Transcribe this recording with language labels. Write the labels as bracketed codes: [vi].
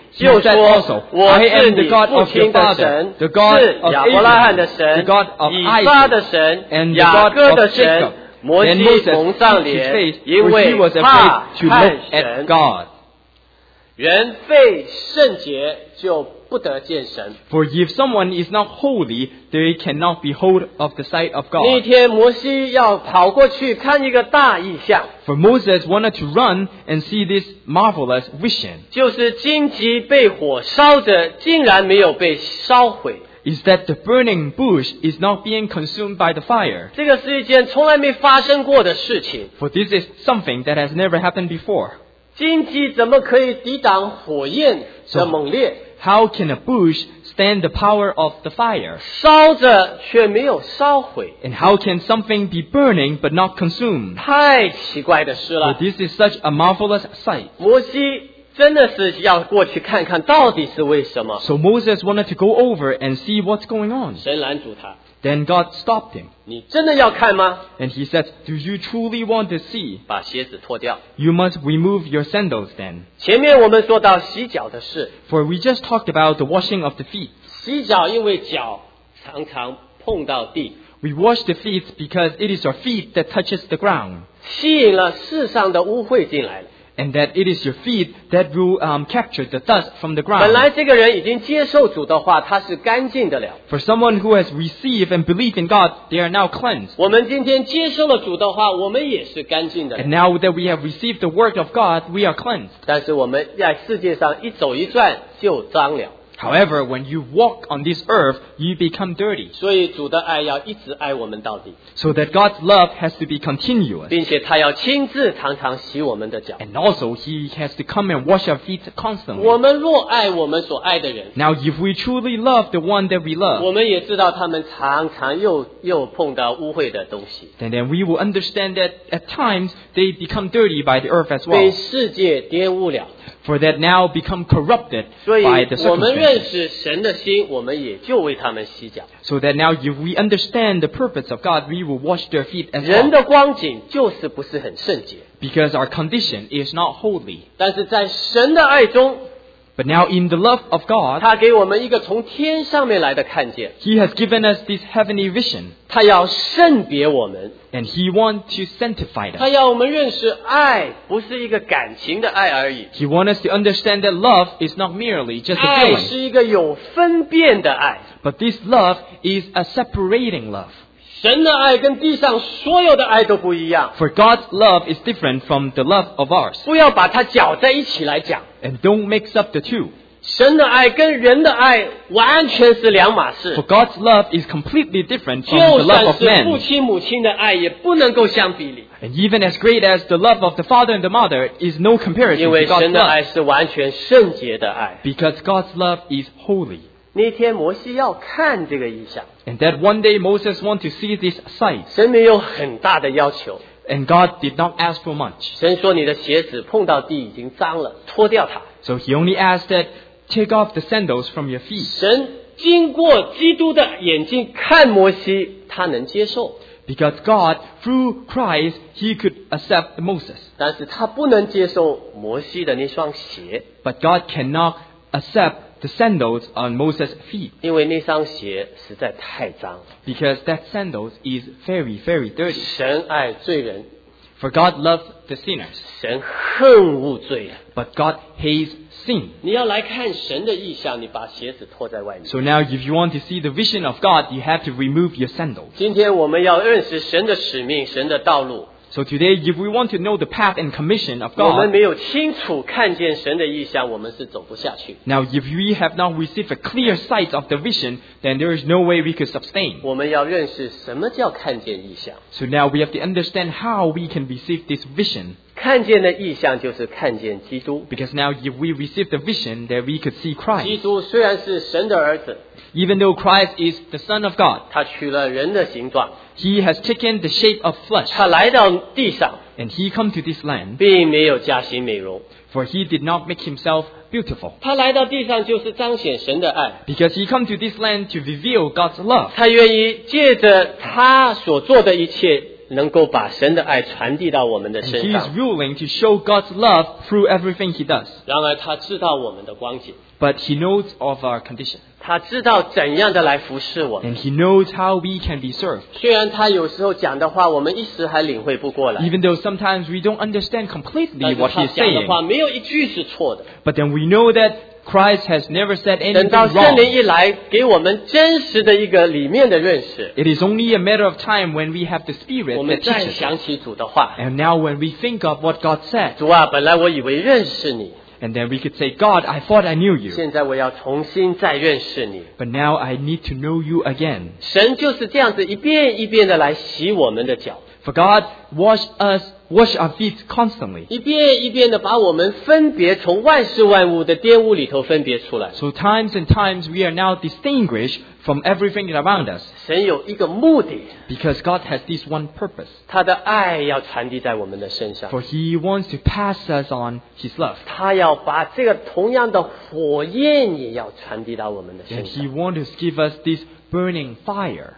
[zh] 就说：“我是你父亲的神，是亚伯拉罕的神，以撒的神，雅各的神。” 摩西蒙上脸，因为怕看神。人非圣洁就不得见神。 [en] For if someone is not holy, they cannot behold of the sight of God. [zh] 那天摩西要跑过去看一个大异象。 [en] For Moses wanted to run and see this marvelous vision. [zh] 就是荆棘被火烧着，竟然没有被烧毁。 [en] Is that the burning bush is not being consumed by the fire? [zh] 这个是一件从来没发生过的事情。 [en] For this is something that has never happened before. [zh] 荆棘怎么可以抵挡火焰的猛烈？ [en] How can a bush stand the power of the fire? [zh] 烧着却没有烧毁。 [en] And how can something be burning but not consumed? [zh] 太奇怪的事了。 [en] For this is such a marvelous sight. [zh] 摩西真的是要过去看看到底是为什么。 [en] So Moses wanted to go over and see what's going on. [zh] 神拦阻他。 [en] Then God stopped him. [zh] 你真的要看吗？ [en] And he said, do you truly want to see? [zh] 把鞋子脱掉。 [en] You must remove your sandals then. [zh] 前面我们说到洗脚的事。 [en] For we just talked about the washing of the feet. [zh] 洗脚因为脚常常碰到地。 [en] We wash the feet because it is our feet that touches the ground. [zh] 吸引了世上的污秽进来了。 [en] And that it is your feet that will capture the dust from the ground. [zh] 本来这个人已经接受主的话，他是干净的了。 [en] For someone who has received and believed in God, they are now cleansed. [zh] 我们今天接受了主的话，我们也是干净的。 [en] And now that we have received the word of God, we are cleansed. [zh] 但是我们在世界上一走一转就脏了。 [en] However, when you walk on this earth, you become dirty. [zh] 所以主的爱要一直爱我们到底。 [en] So that God's love has to be continuous. [zh] 并且他要亲自常常洗我们的脚。 [en] And also, he has to come and wash our feet constantly. [zh] 我们若爱我们所爱的人。 [en] Now, if we truly love the one that we love. [zh] 我们也知道他们常常又碰到污秽的东西。 [en] And then we will understand that at times, they become dirty by the earth as well. [zh] 被世界玷污了。 [en] For that now become corrupted by the circumstances. [zh] 所以我们认识神的心，我们也就为他们洗脚。 [en] So that now if we understand the purpose of God, we will wash their feet as well. [zh] 人的光景就是不是很圣洁。 [en] Because our condition is not holy. [zh] 但是在神的爱中， [en] But now in the love of God, [zh] 他给我们一个从天上面来的看见。 [en] He has given us this heavenly vision. [zh] 他要圣别我们。 [en] And he wants to sanctify us. [zh] 他要我们认识爱不是一个感情的爱而已。 [en] He wants us to understand that love is not merely just a feeling. [zh] 爱是一个有分辨的爱。 [en] But this love is a separating love. [zh] 神的爱跟地上所有的爱都不一样。 [en] For God's love is different from the love of ours. [zh] 不要把它搅在一起来讲。 [en] And don't mix up the two. [zh] 神的爱跟人的爱完全是两码事。 [en] For God's love is completely different from the love of man. [zh] 就算是父亲母亲的爱也不能够相比拟。 [en] And even as great as the love of the father and the mother is no comparison to God's love. [zh] 因为神的爱是完全圣洁的爱。 [en] Because God's love is holy. [zh] 那天摩西要看这个异象。 [en] And that one day Moses wanted to see this sight. [zh] 神没有很大的要求。 [en] And God did not ask for much. [zh] 神说你的鞋子碰到地已经脏了，脱掉它。 [en] So he only asked that take off the sandals from your feet. [zh] 神经过基督的眼睛看摩西，他能接受。 [en] Because God, through Christ, he could accept Moses. [zh] 但是他不能接受摩西的那双鞋。 [en] But God cannot accept the sandals on Moses' feet. [zh] 因为那双鞋实在太脏。 [en] Because that sandals is very, very dirty. [zh] 神爱罪人。 [en] For God loves the sinners. [zh] 神恨恶罪人。 [en] But God hates sin. [zh] 你要来看神的意象，你把鞋子脱在外面。 [en] So now, if you want to see the vision of God, you have to remove your sandals. [zh] 今天我们要认识神的使命，神的道路。 [en] So today, if we want to know the path and commission of God, [zh] 我们没有清楚看见神的意象，我们是走不下去。 [en] Now, if we have not received a clear sight of the vision, then there is no way we could sustain. [zh] 我们要认识什么叫看见意象。 [en] So now we have to understand how we can receive this vision. [zh] 看见的意象就是看见基督。 [en] Because now, if we receive the vision, then we could see Christ. [zh] 基督虽然是神的儿子。 [en] Even though Christ is the Son of God, [zh] 他取了人的形状。 [en] He has taken the shape of flesh. [zh] 他来到地上。 [en] And he come to this land. [zh] 并没有加行美容。 [en] For he did not make himself beautiful. [zh] 他来到地上就是彰显神的爱。 [en] Because he come to this land to reveal God's love. [zh] 他愿意借着他所做的一切能够把神的爱传递到我们的身上。 [en] And he is willing to show God's love through everything he does. [zh] 然而他知道我们的光景。 [en] But he knows of our condition. [zh] 他知道怎样的来服侍我。 [en] And he knows how we can be served. [zh] 虽然他有时候讲的话我们一时还领会不过来。 [en] Even though sometimes we don't understand completely what he's saying. [zh] 但是他讲的话没有一句是错的。 [en] But then we know that Christ has never said anything wrong. [zh] 等到圣灵一来给我们真实的一个里面的认识。 [en] It is only a matter of time when we have the Spirit that teaches us. [zh] 我们再想起主的话。 [en] And now when we think of what God said. [zh] 主啊，本来我以为认识你。 [en] And then we could say, God, I thought I knew you. [zh] 现在我要重新再认识你。 [en] But now I need to know you again. [zh] 神就是这样子一遍一遍的来洗我们的脚。 [en] For God, wash us, wash our feet constantly. [zh] 一遍一遍的把我们分别从万事万物的玷污里头分别出来。 [en] So times and times we are now distinguished from everything around us. [zh] 神有一个目的。 [en] Because God has this one purpose. [zh] 他的爱要传递在我们的身上。 [en] For he wants to pass us on his love. [zh] 他要把这个同样的火焰也要传递到我们的身上。 [en] And he wants to give us this burning fire.